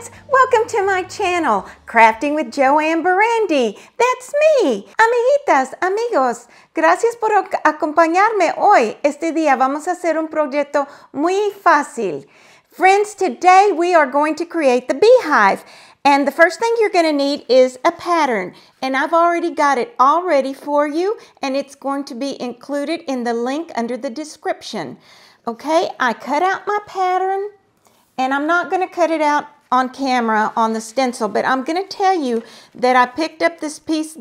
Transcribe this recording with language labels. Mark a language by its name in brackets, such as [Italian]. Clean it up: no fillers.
[English] Welcome to my channel, Crafting with JoAnn Barrandey. That's me. [Spanish] Amiguitas, amigos, gracias por acompañarme hoy. Este día vamos a hacer un proyecto muy fácil. [English] Friends, today we are going to create the beehive. And the first thing you're going to need is a pattern. And I've already got it all ready for you. And it's going to be included in the link under the description. Okay, I cut out my pattern. And I'm not going to cut it out on camera on the stencil, but I'm going to tell you that I picked up this piece.